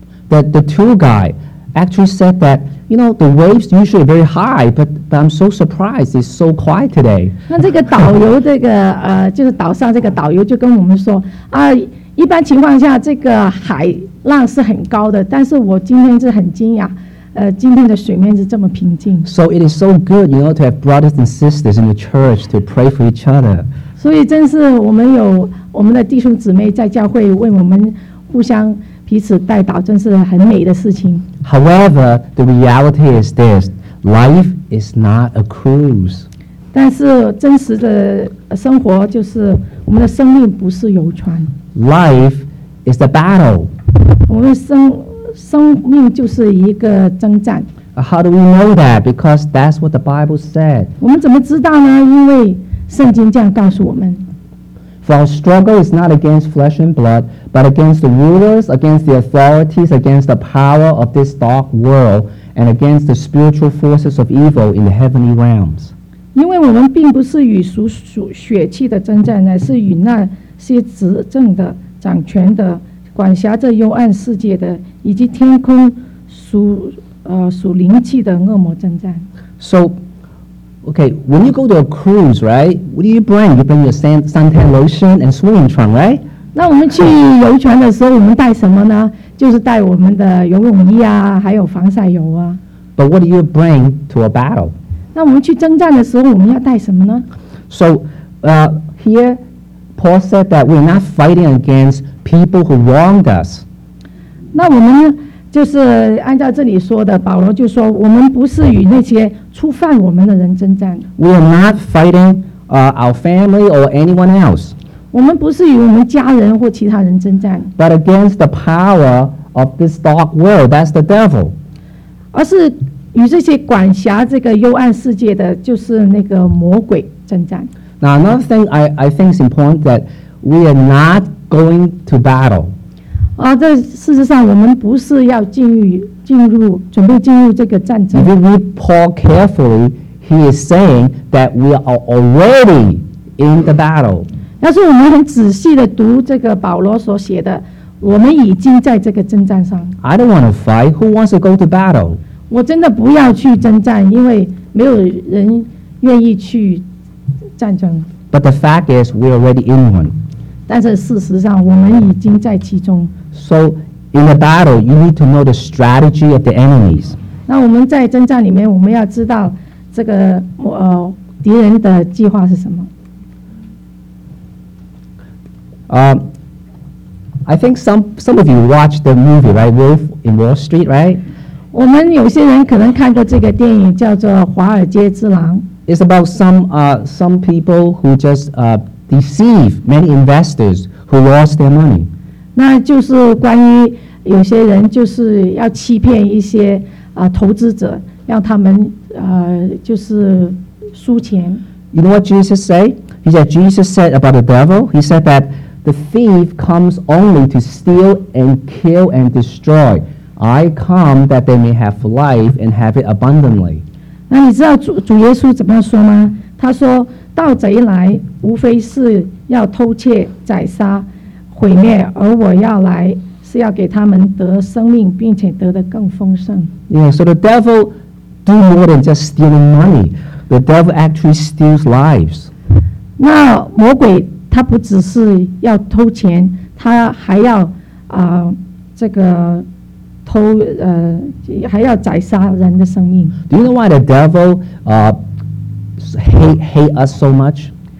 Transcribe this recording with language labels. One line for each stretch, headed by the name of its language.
English: ，the tour guide actually said that. You know, the waves usually are very high, but I'm so surprised it's so quiet today.
Chinese: 那这个导游，这个就是岛上这个导游就跟我们说啊，一般情况下这个海浪是很高的，但是我今天是很惊讶，今天的水面是这么平静。
English: So it is so good, you know, to have brothers and sisters in the church to pray for each other.
Chinese: 所以真是我们有我们的弟兄姊妹在教会为我们互相彼此代祷，真是很美的事情。
English: However, the reality is this: life is not a cruise.
Chinese: 但是真实的生活就是我们的生命不是游船。
English: Life is a battle.
Chinese: 我们生命就是一个征战。
English: How do we know that? Because that's what the Bible said.
Chinese: 我们怎么知道呢？因为圣经这样告诉我们。
English: For our struggle is not against flesh and blood, but against the rulers, against the authorities, against the power of this dark world, and against the spiritual forces of evil in the heavenly realms.
Chinese: 因为我们并不是与属血气的征战，乃是与那些执政的、掌权的、管辖着幽暗世界的，以及天空属灵气的恶魔征战。
English: So,Okay, when you go to a cruise, right, what do you bring? You bring your suntan lotion and swimming trunk, right?
Chinese: 那我们去游船的时候我们带什么呢？就是带我们的游泳衣啊，还有防晒油啊。
English: But what do you bring to a battle?
Chinese: 那我们去征战的时候我们要带什么呢？
English: So, here, Paul said that we're not fighting against people who wronged us.
Chinese: 那我们就是按照这里说的，保罗就说我们不是与那些触犯我们的人征战。
English: We are not fighting our family or anyone else.
Chinese: 我们不是与我们家人或其他人征战。
English: But against the power of this dark world, that's the devil.
Chinese: 而是与这些管辖这个幽暗世界的，就是那个魔鬼征战。
English: Now another thing I think is important that we are not going to battle.
Chinese: 这事实上我们不是要准备进入这个战争。
English: If you read Paul carefully, he is saying that we are already in the battle.
Chinese: 要是我们很仔细地读这个保罗所写的，我们已经在这个征战上。
English: I don't want to fight. Who wants to go to battle?
Chinese: 我真的不要去征战，因为没有人愿意去战争。
English: But the fact is, we're already in one.
Chinese: 但是事实上我们已经在其中。
English: So in a battle you need to know the strategy of the enemies.
Chinese: 那我们在征战里面我们要知道这个敌人的计划是什么。
English: I think some of you watched the movie, right? Wolf in Wall Street, right?
Chinese: 我们有些人可能看过这个电影叫做华尔街之狼。
English: It's about some people who justdeceive many investors who lost their money.
Chinese: 那就是关于有些人就是要欺骗一些投资者，让他们就是输钱。
English: You know what Jesus said? He said, Jesus said about the devil, he said that the thief comes only to steal and kill and destroy. I come that they may have life and have it abundantly.
Chinese: 那你知道 主耶稣怎么样说吗？他说盗贼来无非是要偷窃、宰杀、毁灭，而我要来是要给他们得生命，并且得得更丰盛。
English: Yeah, so the devil do more than just stealing money. The devil actually steals lives.
Chinese: 那魔鬼他不只是要偷钱，他还要、这个偷、还要宰杀人的生命。
English: Do you know why the devil、hate us so much?